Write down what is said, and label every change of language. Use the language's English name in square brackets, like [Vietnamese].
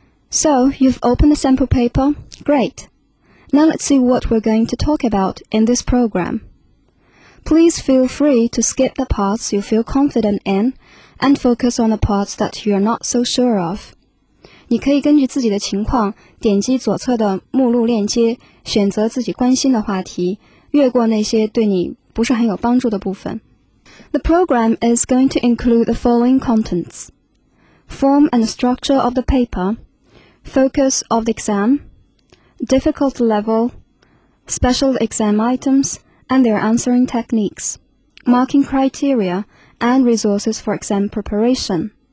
[English] So, you've opened the sample paper? Great! Now let's see what we're going to talk about in this program. Please feel free to skip the parts you feel confident in and focus on the parts that you're not so sure of. [Chinese] 你可以根据自己的情况点击左侧的目录链接，选择自己关心的话题，越过那些对你不是很有帮助的部分。 [English] The program is going to include the following contents. Form and structure of the paper, focus of the exam, difficulty level, special exam items and their answering techniques, marking criteria and resources for exam preparation.